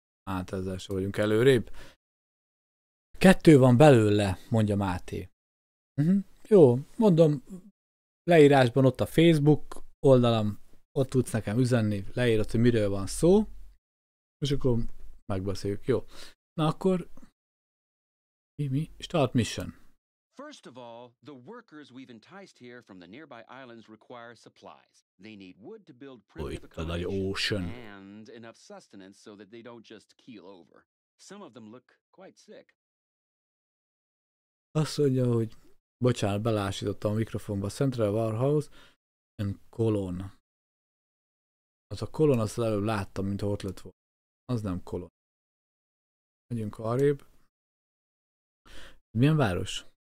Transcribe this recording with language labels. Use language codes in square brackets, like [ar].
[hu] Hát ezzel sem vagyunk előrébb. Kettő van belőle, mondja Máté. Jó, mondom, leírásban ott a Facebook oldalam, ott tudsz nekem üzenni, leírod, hogy miről van szó, és akkor megbeszéljük, jó. Na akkor, mi? [en] Start mission. First of all, the workers we've enticed here from the nearby islands require supplies. They need wood to build primitive accommodations and enough sustenance so that they don't just keel over. Some of them look quite sick. [hu] Azt mondja, hogy bocsánat, belásítottam a mikrofonba. Central Warehouse and Colon. Az a Colon, azt előbb láttam, mint ott lett volna. Az nem Colon. Megyünk arrébb. Milyen város?